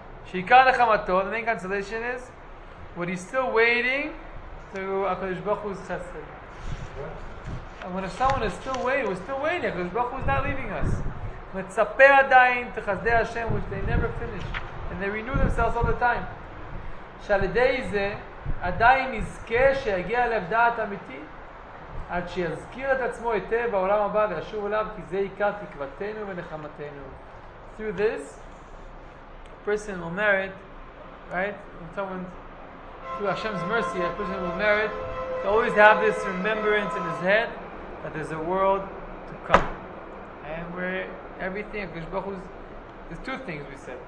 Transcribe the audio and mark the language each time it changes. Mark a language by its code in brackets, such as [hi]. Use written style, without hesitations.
[he] שעיקר נחמתו, [en] the main consolation is what he's still waiting to HaKadosh Baruch Hu's chesed. And when someone is still waiting, we're still waiting, HaKadosh Baruch Hu's not leaving us. [he] מצפה עדיין תחסדי השם, [en] which they never finish. And they renew themselves all the time. [he] שעל ידי זה, עדיין נזכה שיגיע אליו דעת אמיתי, עד שיזכיר את עצמו היטב בעולם הבא וישוב אליו, כי זה עיקר תקוותנו ונחמתנו. [en] Through this, person will merit, right? When someone, through Hashem's mercy, a person will merit to always have this remembrance in his head that there's a world to come. And where everything, there's two things we said.